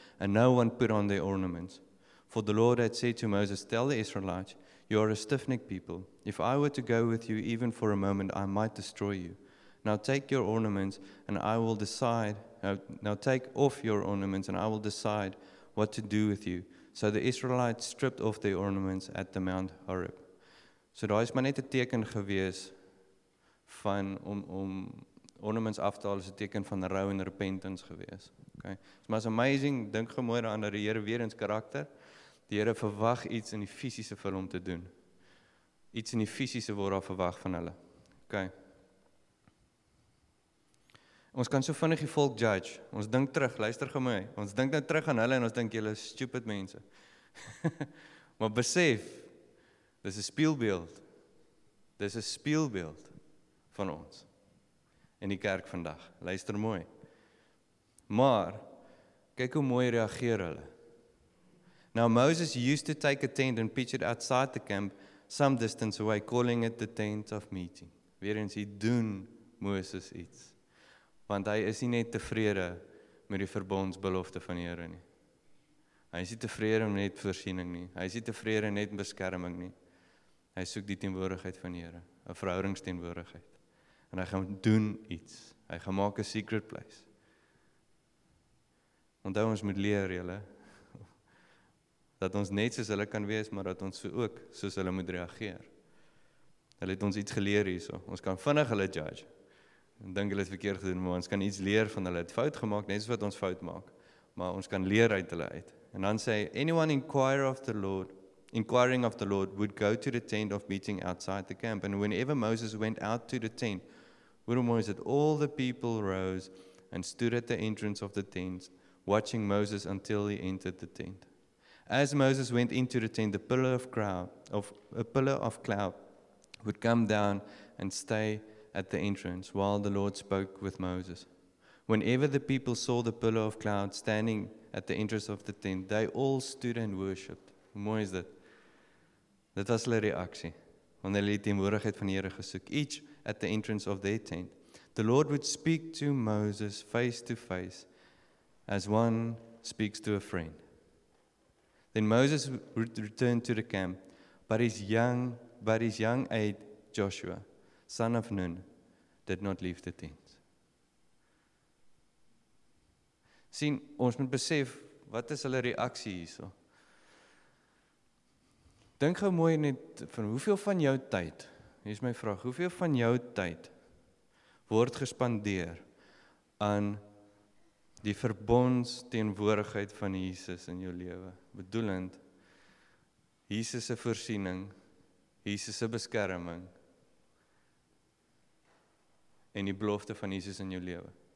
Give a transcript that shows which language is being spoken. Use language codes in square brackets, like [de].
[en] And no one put on their ornaments. For the Lord had said to Moses, tell the Israelites, you are a stiff-necked people. If I were to go with you even for a moment, I might destroy you. Now take your ornaments and I will decide. Now take off your ornaments and I will decide what to do with you. So the Israelites stripped off their ornaments at the Mount Horeb. [af] So daar is maar net 'n teken gewees van om ornaments af te haal is 'n teken van rou en repentance gewees. Okay. So, maar is amazing, dink gemooi aan dat die Here weer ins karakter. Die Here verwag iets in die fisiese vir hom te doen. Iets in die fisiese word daar verwag van hulle. Okay. Ons kan so vinnig die volk judge. Ons dink terug, luister gou mooi. Ons dink nou terug aan hulle en ons dink julle is stupid mense. Maar besef, dis 'n spieelbeeld. Dis 'n spieelbeeld van ons in die kerk vandag. Luister mooi. Maar kyk hoe mooi reageer hulle. [en] Now Moses used to take a tent and pitch it outside the camp some distance away, calling it the tent of meeting. [af] Weer eens, hy doen Moses iets. Want hy is nie net tevrede met die verbondsbelofte van die Here nie. Hy is nie tevrede met net voorsiening nie. Hy is nie tevrede net beskerming nie. Hy soek die teenwoordigheid van die Here, 'n verhoudingsteenwoordigheid. En hy gaan doen iets. Hy gaan maak 'n [en] secret place. [af] Onthou ons moet leer, julle, dat ons net soos hulle kan wees, maar dat ons ook soos hulle moet reageer. Hulle het ons iets geleer hierso. Ons kan vinnig hulle judge. Ek dink hulle het verkeerd gedoen, maar ons kan iets leer van hulle. Het fout gemaak, net soos wat ons fout maak. Maar ons kan leer uit hulle uit. En dan sê, [en] anyone inquiring of the Lord would go to the tent of meeting outside the camp. And whenever Moses went out to the tent, all the people rose and stood at the entrance of the tent, watching Moses until he entered the tent. As Moses went into the tent, a pillar of cloud would come down and stay at the entrance while the Lord spoke with Moses. Whenever the people saw the pillar of cloud standing at the entrance of the tent, they all stood and worshipped. [af] Mooi is dit. Dit was hulle reaksie. Want hulle het die teenwoordigheid van die Here gesoek. [en] Each at the entrance of their tent. The Lord would speak to Moses face to face as one speaks to a friend. Then Moses returned to the camp, but his young aide, Joshua, son of Nun, did not leave the tent. [af] Sien, ons moet besef, wat is hulle reaksie hierso? Dink gou mooi net, van hoeveel van jou tyd, hier is my vraag, hoeveel van jou tyd word gespandeer aan die verbonds teenwoordigheid van Jesus in jou lewe, bedoelend Jesus se voorsiening, Jesus se beskerming en die belofte van Jesus in jou lewe.